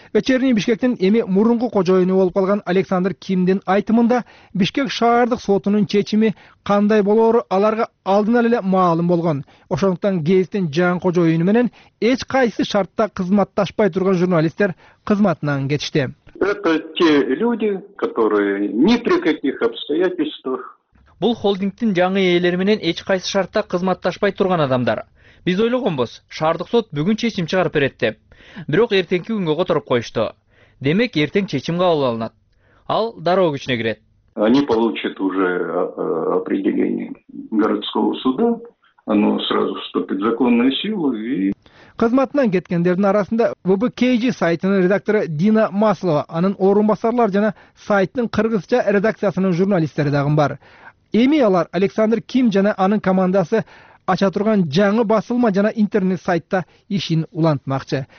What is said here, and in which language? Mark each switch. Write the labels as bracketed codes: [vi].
[ky] Вечерний Бишкектин эми мурунку кожоюну болуп калган Александр Кимдин айтымында Бишкек шаардык сотунун чечими кандай болоору аларга алдынан эле маалым болгон. Ошондуктан гезиттин жаңы кожоюну менен эч кайсы шартта кызматташпай турган журналисттер кызматынан кетишти. [ru] Это те люди, которые ни при каких обстоятельствах. [ky] Бул холдингдин жаңы ээлери менен эч кайсы шартта кызматташпай турган адамдар. Биз ойлогонбуз, шаардык сот бүгүн чечим чыгарып берет деп. Бирок эртеңки күнгө которуп коюшту. Демек эртең чечим кабыл алынат. Ал дароо күчүнө кирет. [ru] Они получат уже определение городского суда. Оно сразу вступит в законную силу. [ky] Кызматынан кеткендердин арасында ВБКЖ сайтынын редактору Дина Маслова, анын орун басарлары жана сайттын кыргызча редакциясынын журналисттери дагы бар. Эми алар Александр Ким жана анын командасы ача турган жаңы басылма жана интернет сайтта ишин улантмакчы.